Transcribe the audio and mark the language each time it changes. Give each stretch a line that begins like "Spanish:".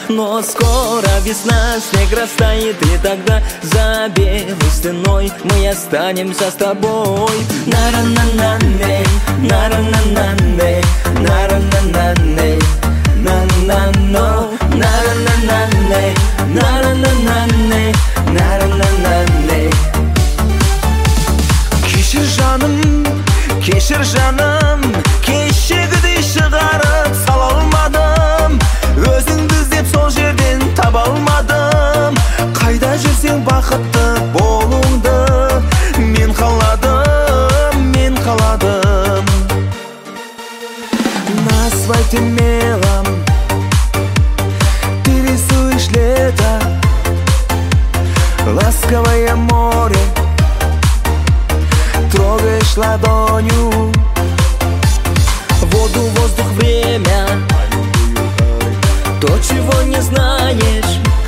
Russian: Но скоро весна, снег растает, и тогда за белой стеной мы останемся с тобой. На-ра-на-на-не, на-ра-на-на-не, на-ра-на-на-не, на-на-но, на-ра-на-на-не, на-ра-на-на-не, на-ра-на-на-не.
Kazakh: Кешір жаным, кешір жаным, кешігідей шығарып сала алмадым. Өзіңді іздеп сол жерден таба алмадым. Қайда жүрсең бақытты болуыңды мен қаладым, мен қаладым.
Russian: Назвайте мелом, ты рисуешь лето, ласковое море, трогаешь ладонью воду, воздух, время, то, чего не знаешь.